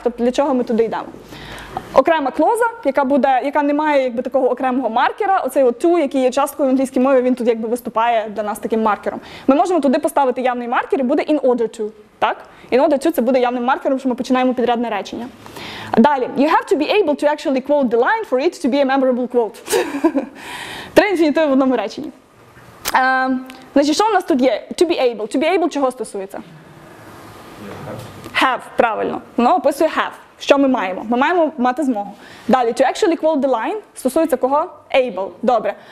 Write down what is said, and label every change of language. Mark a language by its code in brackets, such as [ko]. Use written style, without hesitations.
[uk] Тобто для чого ми туди йдемо. Окрема клоза, яка не має якби такого окремого маркера, оцей от to, який є часткою в англійській мові, він тут якби виступає для нас таким маркером. Ми можемо туди поставити явний маркер і буде in order to. Так? In order to це буде явним маркером, що ми починаємо підрядне речення. Далі. [en] You have to be able to actually quote the line for it to be a memorable quote. [uk] Три інфінітиви в одному реченні. Значить, що у нас тут є? [en] To be able. [uk] To be able чого стосується? Have. Правильно. Воно описує have. Що ми маємо? Ми маємо мати змогу. Далі. [en] To actually quote the line [uk] стосується кого? Able. Добре.